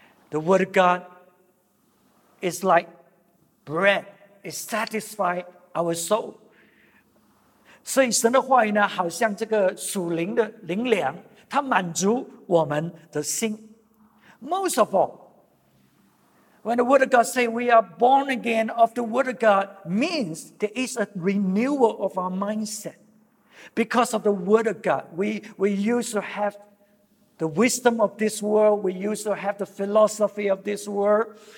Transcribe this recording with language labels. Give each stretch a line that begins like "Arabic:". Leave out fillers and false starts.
English: The word of God is like bread, it satisfies our soul.
Chinese: 所以神的话语呢，好像这个属灵的灵粮，它满足我们的心。
English: Most of all, when the word of God say we are born again of the word of God, means there is a renewal of our mindset. Because of the word of God, we used to have the wisdom of this world, we used to have the philosophy of this world,